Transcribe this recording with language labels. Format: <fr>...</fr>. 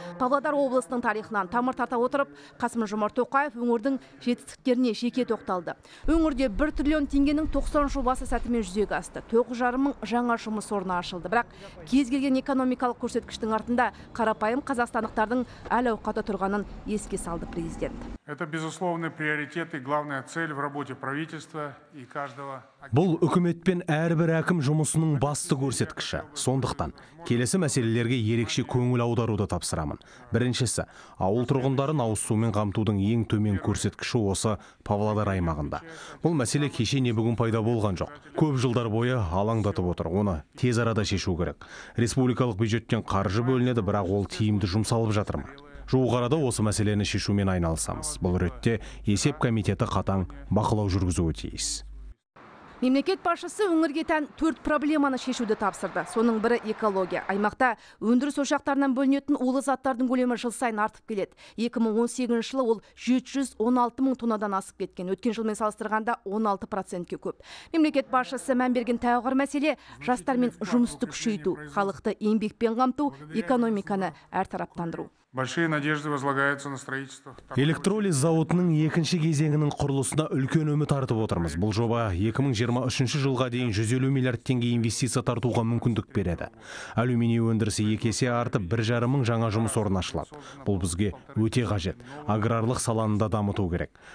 <kk>Павлодар облысының тарихынан тамыр тарта отырып, Қасым-Жомарт Тоқаев өңірдің жетістіктеріне жеке тоқталды. Өңірде 1 триллион теңгенің 90 жобасы сәтімен жүзеге асты. 9,5 мың жаңа жұмыс орны ашылды. Бірақ кез келген экономикалық көрсеткіштің артында қарапайым қазақстандықтардың әл ауқаты тұрғанын еске салды президент.</kk> <ru>Это безусловный приоритет и главная цель в работе правительства и каждого.</ru> <kk>Бұл үкіметпен әрбір әкім жұмысының басты көрсеткіші. Сондықтан келесі мәселелерге ерекше көңіл аударуды тапсырамын. Біріншісі, ауыл тұрғындарын ауыз сумен қамтудың ең төмен көрсеткіші осы Павлодар аймағында. Бұл мәселе кеше не бүгін пайда болған жоқ. Көп жылдар бойы алаңдатып отыр. Оны тез арада шешу керек. Республикалық бюджеттен қаржы бөлінеді, бірақ ол тиімді жұмсалып жатыр ма? Жоғарыда осы мәселені шешумен айналысамыз. Бұл ретте есеп комитеті қатаң бақылау жүргізуі тиіс. Мемлекет басшысы өңірге тән 4 проблеманы шешуді тапсырды. Соның бірі экология. Аймақта өндіріс ошақтарынан бөлінетін улы заттардың көлемі жыл сайын артып келеді. 2018 жылы ол 716 мың тоннадан асып кеткен. Өткен жылмен салыстырғанда 16%-ке көп. Мемлекет басшысы мән берген тағы мәселе жастармен жұмысты күшейту, халықты еңбекпен қамту, экономиканы әртараптандыру.</kk> <ru>Большие надежды возлагаются на строительство.</ru> <kk>Электролиз зауытының екінші кезеңінің құрылысына үлкен үміт артып отырмыз. Бұл жоба 2023 жылға дейін 150 миллиард теңге инвестиция тартуға мүмкіндік береді. Алюминий өндірісі екесе артып, 1,5 мың жаңа жұмыс орны ашылады. Бұл бізге өте қажет. Аграрлық саланында дамыту керек.</kk>